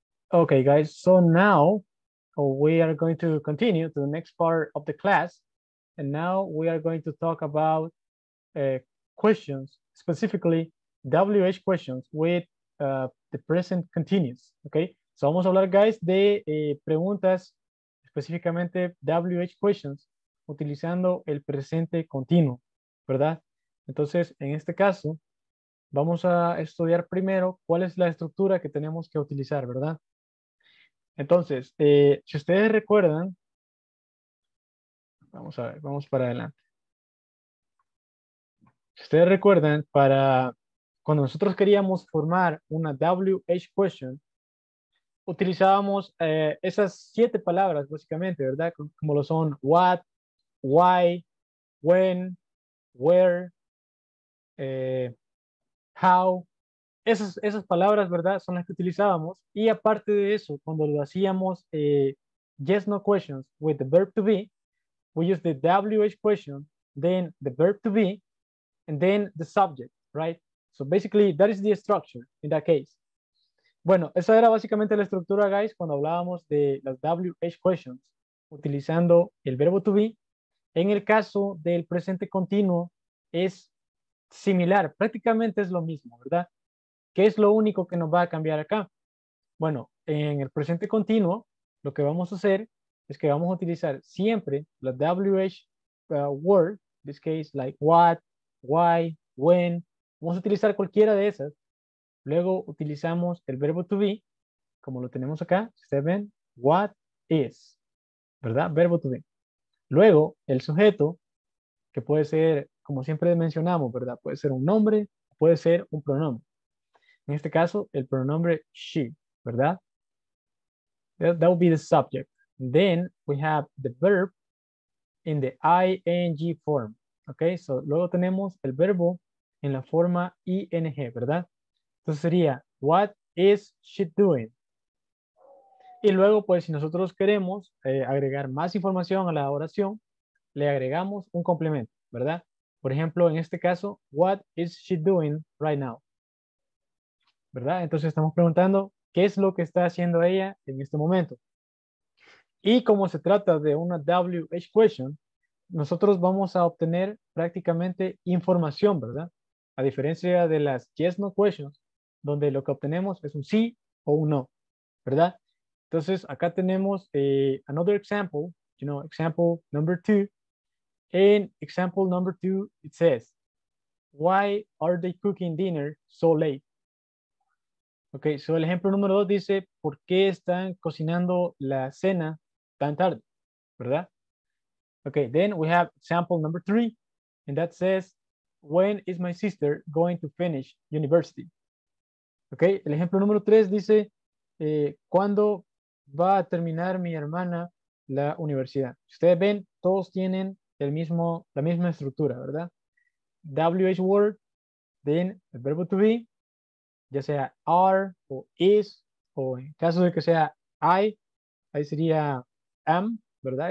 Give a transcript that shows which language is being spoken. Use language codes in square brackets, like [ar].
[en] Ok, guys, so now we are going to continue to the next part of the class. And now we are going to talk about questions, specifically WH questions with the present continuous. [es] Ok, so vamos a hablar, guys, de preguntas, específicamente WH questions, utilizando el presente continuo, ¿verdad? Entonces, en este caso, vamos a estudiar primero cuál es la estructura que tenemos que utilizar, ¿verdad? Entonces, si ustedes recuerdan, vamos a ver, vamos para adelante. Si ustedes recuerdan, para cuando nosotros queríamos formar una WH question, utilizábamos esas 7 palabras, básicamente, ¿verdad? Como lo son what, why, when, where, how. Esas palabras, ¿verdad? Son las que utilizábamos. Y aparte de eso, cuando lo hacíamos [en] yes, no questions with the verb to be, we use the WH question, then the verb to be, and then the subject, right? So basically, that is the structure in that case. [es] Bueno, esa era básicamente la estructura, guys, cuando hablábamos de las WH questions, utilizando el verbo to be. En el caso del presente continuo, es similar, prácticamente es lo mismo, ¿verdad? ¿Qué es lo único que nos va a cambiar acá? Bueno, en el presente continuo, lo que vamos a hacer es que vamos a utilizar siempre la WH word, [en] in this case, like what, why, when. [es] Vamos a utilizar cualquiera de esas. Luego utilizamos el verbo to be, como lo tenemos acá, si ustedes ven, what is, ¿verdad? Verbo to be. Luego, el sujeto, que puede ser, como siempre mencionamos, ¿verdad? Puede ser un nombre, puede ser un pronombre. En este caso, el pronombre she, ¿verdad? [en] That would be the subject. Then, we have the verb in the ing form. [es] Okay, so luego tenemos el verbo en la forma ing, ¿verdad? Entonces sería, [en] what is she doing? [es] Y luego, pues, si nosotros queremos agregar más información a la oración, le agregamos un complemento, ¿verdad? Por ejemplo, en este caso, [en] what is she doing right now? [es] ¿Verdad? Entonces estamos preguntando, ¿qué es lo que está haciendo ella en este momento? Y como se trata de una WH question, nosotros vamos a obtener prácticamente información, ¿verdad? A diferencia de las yes, no questions, donde lo que obtenemos es un sí o un no, ¿verdad? Entonces, acá tenemos [en] another example, you know, example number two. In example number two, it says, why are they cooking dinner so late? [es] Okay, so el ejemplo número dos dice, ¿por qué están cocinando la cena tan tarde? ¿Verdad? [en] Okay, then we have example number three, and that says, when is my sister going to finish university? [es] Okay, el ejemplo número tres dice, ¿cuándo va a terminar mi hermana la universidad? Ustedes ven, todos tienen la misma estructura, ¿verdad? WH word, then el verbo to be, ya sea are o is, o en caso de que sea I, ahí sería am, ¿verdad?